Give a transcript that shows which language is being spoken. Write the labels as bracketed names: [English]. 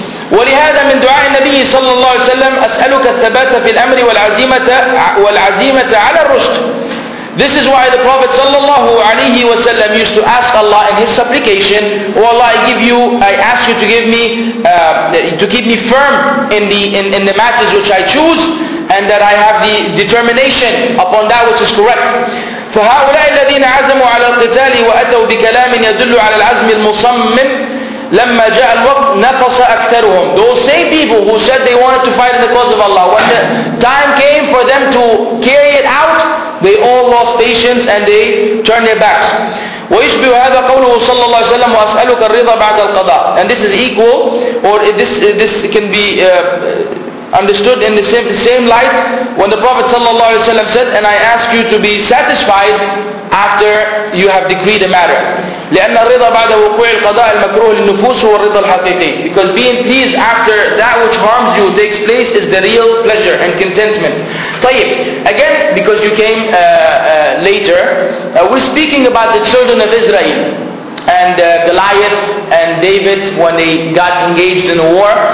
[Arabic] ولهذا من دعاء النبي صلى الله عليه وسلم أسألك الثبات في الأمر والعزيمة على الرشد. [English] This is why the Prophet [Arabic] صلى الله عليه وسلم [English] used to ask Allah in his supplication, "Oh Allah, I ask you to give me to keep me firm in the matters which I choose, and that I have the determination upon that which is correct." [Arabic] فهؤلاء الذين عزموا على القتال وأتوا بكلام يدل على العزم المصمم لما جاء الوقت نفس أكثرهم. [English] Those same people who said they wanted to fight in the cause of Allah, when the time came for them to carry it out, they all lost patience and they turned their backs. [Arabic] ويشبه هذا قوله صلى الله عليه وسلم وأسألك الرضا بعد القضاء. [English] And this is equal, or this can be understood in the same light when the Prophet [Arabic] صلى الله عليه وسلم [English] said, and I ask you to be satisfied after you have decreed a matter. [Arabic] لأن الرضا بعد وقوع القضاء المكروه للنفوس هو الرضا الحقيقي. [English] Because being pleased after that which harms you takes place is the real pleasure and contentment. طيب, again, because you came later, we're speaking about the children of Israel and Goliath and David when they got engaged in a war.